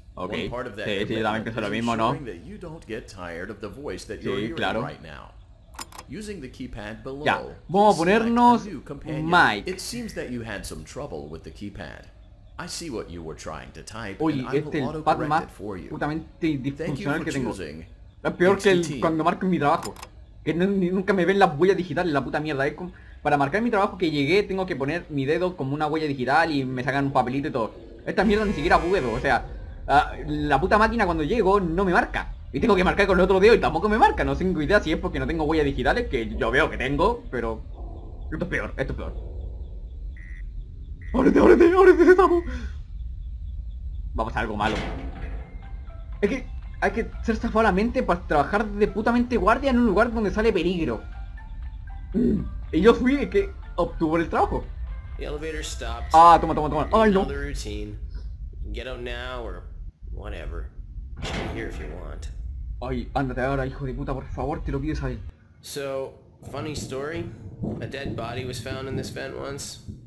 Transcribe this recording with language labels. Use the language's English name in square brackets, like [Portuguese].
[Spanish] Okay. [English] One part of that [Spanish] sí, sí, también pienso lo mismo, ¿no? [English] That you don't get tired of the voice that you're hearing [Spanish] claro. [English] Right now. Using the keypad below. [Spanish] Ya. Vamos a ponernos Mike. [English] It seems that you had some trouble with the keypad. I see what you were trying to type. [Spanish] Oye, and este [English] I will auto-correct it for you. [Spanish] Putamente disfuncional que tengo. [English] Choosing. [Spanish] La peor que el, cuando marco mi trabajo, que no, nunca me ven las huellas digitales, la puta mierda, ¿eh? Para marcar mi trabajo que llegué, tengo que poner mi dedo como una huella digital y me sacan un papelito y todo. Esta mierda ni siquiera puedo, o sea, la puta máquina cuando llego no me marca. Y tengo que marcar con el otro dedo y tampoco me marca. No tengo idea si es porque no tengo huellas digitales, que yo veo que tengo, pero esto es peor, esto es peor. ¡Ábrete, ábrete, ábrete, sésamo! Vamos a algo malo. Hay que ser zafado la mente para trabajar de putamente guardia en un lugar donde sale peligro. Y yo fui el que obtuvo el trabajo. Ah, toma, toma, toma. ¡Ay, no! [English] Get out now or whatever. Here if you want. [Spanish] Ay, ándate ahora, hijo de puta, por favor, te lo pido, ¿sabes? [English] So, funny story. A dead body was found in this vent once.